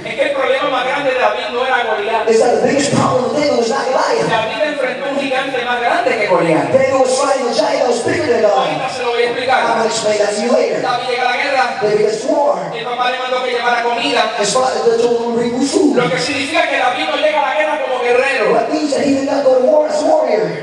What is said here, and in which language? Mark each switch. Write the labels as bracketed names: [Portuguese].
[Spanish] Es que el problema más grande de David no era Goliath. [English] Is that the biggest problem of David was not Goliath. [Spanish] David enfrentó un gigante más grande que Goliath. [English] David was fighting a giant that was bigger than God. [Spanish] Ahorita se lo voy a explicar. [English] I'm going to explain that to you later. [Spanish] David llega a la guerra. [English] David gets to war. [Spanish] Mi papá le mandó que llevara comida. [English] His father told him to bring food. [Spanish] Lo que significa que David no llega a la guerra como guerrero. [English] What means that he did not go to war as a warrior.